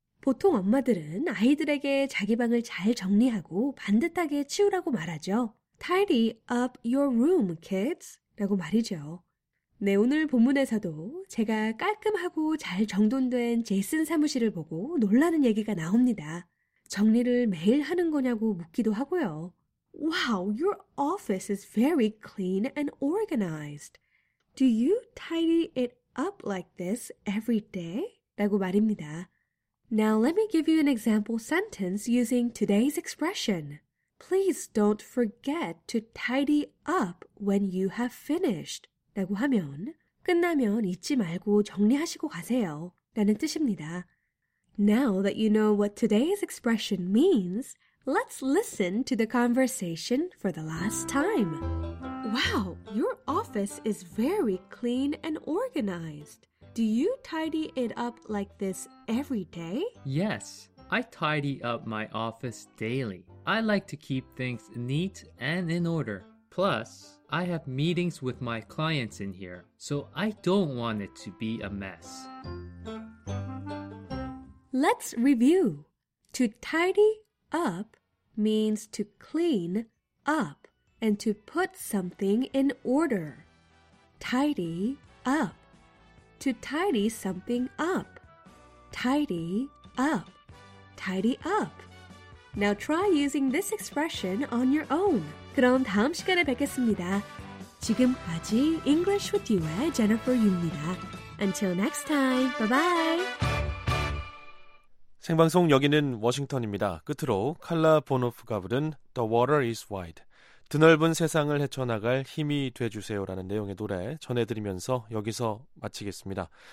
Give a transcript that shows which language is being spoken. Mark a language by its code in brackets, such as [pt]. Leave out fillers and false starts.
[ko] 보통 엄마들은 아이들에게 자기 방을 잘 정리하고 반듯하게 치우라고 말하죠. [en] Tidy up your room, kids. [ko] 라고 말이죠. 네, 오늘 본문에서도 제가 깔끔하고 잘 정돈된 제슨 사무실을 보고 놀라는 얘기가 나옵니다. 정리를 매일 하는 거냐고 묻기도 하고요. [en] Wow, your office is very clean and organized. Do you tidy it up like this every day? [ko] 라고 말입니다. [en] Now let me give you an example sentence using today's expression. Please don't forget to tidy up when you have finished. [ko] 라고 하면 끝나면 잊지 말고 정리하시고 가세요. 라는 뜻입니다. [en] Now that you know what today's expression means, let's listen to the conversation for the last time. Wow, your office is very clean and organized. Do you tidy it up like this every day? Yes, I tidy up my office daily. I like to keep things neat and in order. Plus, I have meetings with my clients in here, so I don't want it to be a mess. Let's review. To tidy up means to clean up and to put something in order. Tidy up. To tidy something up. Tidy up. Tidy up. Now try using this expression on your own. [ko] 그럼 다음 시간에 뵙겠습니다. 지금까지 English with You의 Jennifer입니다. [en] Until next time, bye-bye! [ko] 생방송 여기는 워싱턴입니다. 끝으로 칼라 보노프가 부른 The Water is Wide, 드넓은 세상을 헤쳐나갈 힘이 돼주세요라는 내용의 노래 전해드리면서 여기서 마치겠습니다.